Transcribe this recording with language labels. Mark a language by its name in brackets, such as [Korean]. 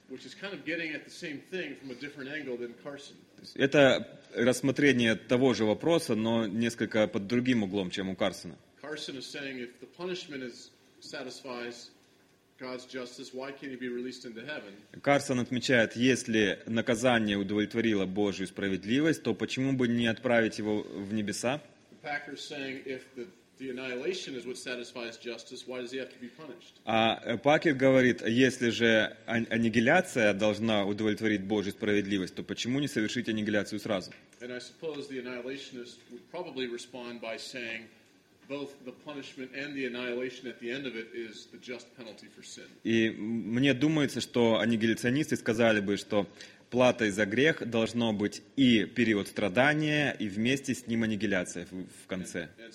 [English] Which is kind of getting at the same thing from a different angle than Carson. [Russian] Это рассмотрение того же вопроса, но несколько под другим углом, чем у Карсона. [English] Carson is saying if the punishment satisfies God's justice, why can't he be released into heaven? [Russian] Карсон отмечает, если наказание удовлетворило Божью справедливость, то почему бы не отправить его в небеса? [English] Packer is saying if the annihilation is what satisfies justice, why does he have to be punished? [Russian] А Пакер говорит, если же аннигиляция должна удовлетворить Божью справедливость, то почему не совершить аннигиляцию сразу? [English] And I suppose the annihilationist would probably respond by saying both the punishment and the annihilation at the end of it is the just penalty for sin. [Russian] И мне думается, что аннигиляционисты сказали бы, что платой за грех должно быть и период страдания, и вместе с ним аннигиляция в конце.